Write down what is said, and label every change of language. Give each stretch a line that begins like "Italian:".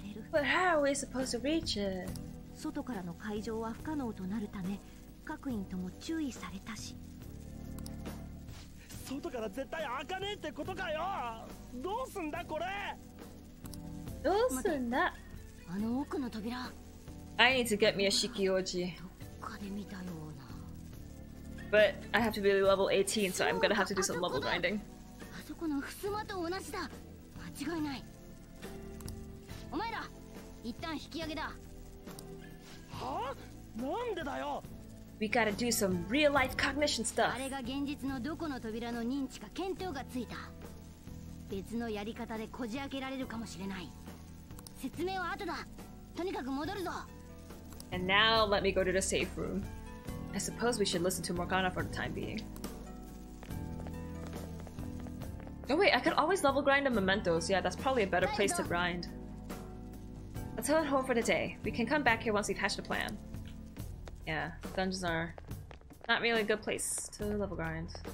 English: But how are we supposed to reach it?
Japanese: 外からの会場は不可能となるため、各員とも注意されたし。外から絶対開かねえってことかよ。どうすんだこれ。どうすんだ。あの奥の扉。
English: I need to get me a shikyoji.
Japanese: どっかで見たような。
English: But I have to be level 18, so I'm gonna have to do some level grinding.
Japanese: あそこの襖と同じだ。間違いない。お前ら、一旦引き上げだ。はあ、なんでだよ。
English: We gotta do some real life cognition stuff.
Japanese: あれが現実のどこの扉の認知か検討がついた。別のやり方でこじ開けられるかもしれない。説明は後だ。とにかく戻るぞ。
English: And now let me go to the safe room. I suppose we should listen to Morgana for the time being. Oh wait, I could always level grind a memento, so yeah, that's probably a better place to grind. Let's head home for the day. We can come back here once we've hatched a plan. Yeah, dungeons are not really a good place to level grind.